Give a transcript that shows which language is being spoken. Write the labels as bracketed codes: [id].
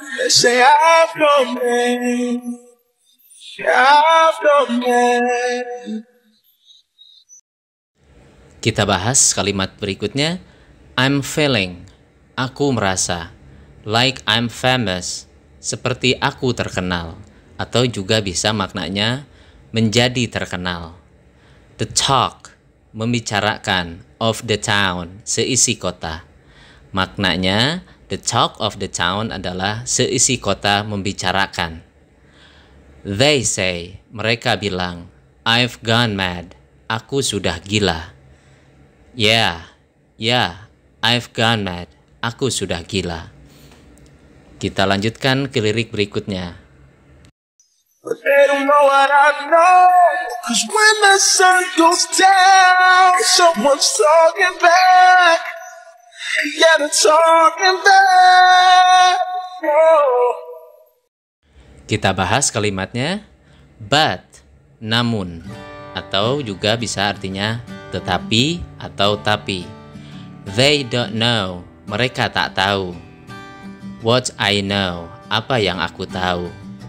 [en] They say I've gone mad, I've gone mad. [id] Kita bahas kalimat berikutnya. I'm feeling, aku merasa, like I'm famous, seperti aku terkenal, atau juga bisa maknanya menjadi terkenal. [en] The talk, membicarakan, of the town, seisi kota. [id] Maknanya, the talk of the town adalah seisi kota membicarakan. [en] They say, mereka bilang, I've gone mad, aku sudah gila. Yeah, I've gone mad. Aku sudah gila. [id] Kita lanjutkan ke lirik berikutnya. [en] But they don't know what I know, 'cause when the sun goes down, someone's talking back. Yeah, they're talking back. [id] Oh. Kita bahas kalimatnya. But, namun, atau juga bisa artinya tetapi atau tapi. They don't know, mereka tak tahu. What I know, apa yang aku tahu.